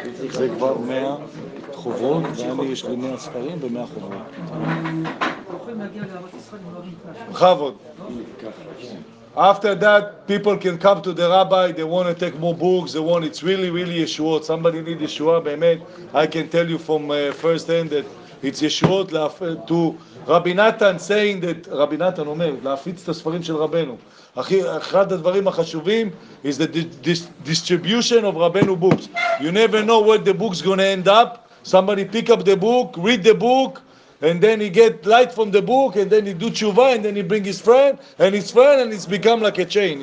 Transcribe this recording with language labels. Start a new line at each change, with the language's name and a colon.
Hebrew: זה כבר 100 חוברות, ואני יש לי 100 ספרים ו-100 חוברות. בכבוד.
English: After that, people can come to the rabbi, they want to take more books, they want, it's really, really Yeshuot. Somebody need Yeshua, באמת. I can tell you from first hand that it's Yeshuot to
Hebrew: רבי נתן saying that, רבי נתן אומר, להפיץ את הספרים של רבנו. אחד הדברים החשובים
English: is the distribution of רבנו books. You never know where the book's going to end up. Somebody pick up the book, read the book, and then he get light from the book, and then he do תשובה, and then he bring his friend, and it's become like a chain.